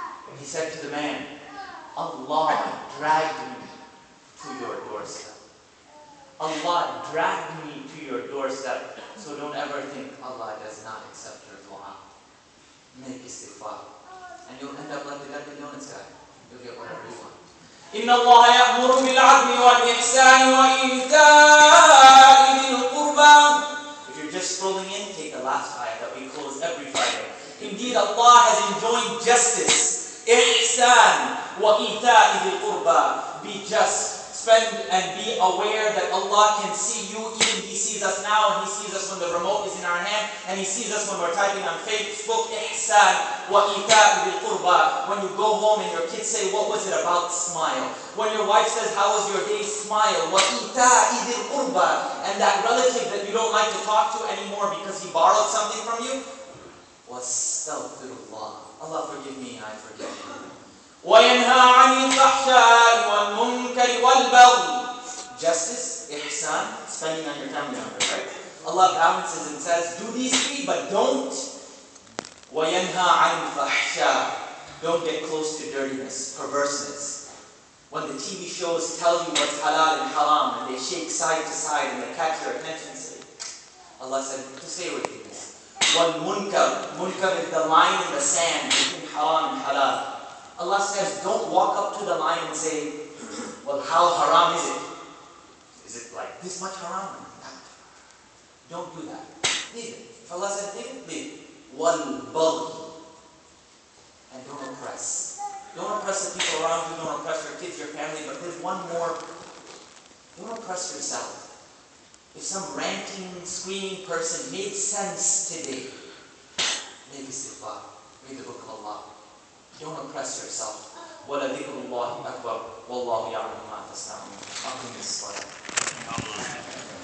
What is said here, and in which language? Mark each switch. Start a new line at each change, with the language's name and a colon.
English: And he said to the man, Allah dragged me to your doorstep. Allah dragged me to your doorstep. So don't ever think Allah does not accept your dua. Make istighfar. And you'll end up like the Dunkin' Donuts guy. You'll get whatever you want.
Arabic: إن الله يأمر بالعدل والإحسان وإيتاء ذي القربى.
English: If you're just scrolling in, take the last ayah that we close every Friday. Indeed, Allah has enjoined justice,
Arabic: إحسان وإيتاء ذي القربى.
English: Be just. Spend and be aware that Allah can see you. Even He sees us now, and He sees us when the remote is in our hand, and He sees us when we're typing on Facebook.
Arabic: إحسان وإيتاء ذي القربى.
English: When you go home and your kids say, "What was it about?" Smile. When your wife says, "How was your day?" Smile.
Arabic: وإيتاء ذي القربى.
English: And that relative that you don't like to talk to anymore because he borrowed something from you.
Arabic: واستغفر الله.
English: Allah forgive me. I forgive you.
Arabic: وينهى عن الفحشاء والمنكر والبغي.
English: Justice, ihsan, spending on your family member, right? Allah balances and says, do these three, but don't.
Arabic: وينهى عن الفحشاء.
English: Don't get close to dirtiness, perverseness. When the TV shows tell you what's halal and haram, and they shake side to side, and they catch your attention, say, Allah said, to stay away from this.
Arabic: والمنكر.
English: Munkar is the line in the sand between haram and halal. Allah says, don't walk up to the line and say, well, how haram is it? Is it like this much haram? Don't do that. Leave it. If Allah says, leave it, leave it.
Arabic: Wal baghi.
English: And don't oppress. Don't oppress the people around you. Don't oppress your kids, your family. But there's one more. Don't oppress yourself. If some ranting, screaming person made sense today, make istighfar. Read the book of Allah. Don't oppress yourself.
Arabic: وَلَذِكْرُ اللَّهِ أَكْبَرُ وَاللَّهُ يَعْلَمُ مَا تَسْتَعْمُونَ.
English: I'll do this for you.